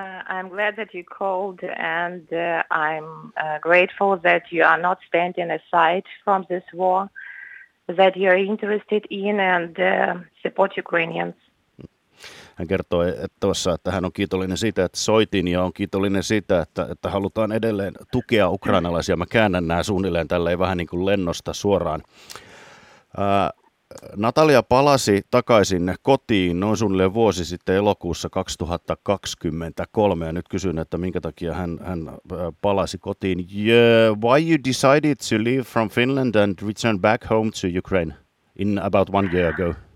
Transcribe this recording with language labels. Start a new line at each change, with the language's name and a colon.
English: I'm glad that you called, and I'm grateful that you are not standing aside from this war, that you're interested in and support Ukrainians.
Finnish: Hän kertoi tuossa, että hän on kiitollinen siitä, että soitin, ja on kiitollinen siitä, että halutaan edelleen tukea ukrainalaisia. Mä käännän nämä suunnilleen tälleen vähän niin kuin lennosta suoraan. Natalia palasi takaisin kotiin noin suunnilleen vuosi sitten elokuussa 2023, ja nyt kysyn, että minkä takia hän palasi kotiin.
English: Yeah, why you decided to leave from Finland and return back home to Ukraine in about 1 year ago?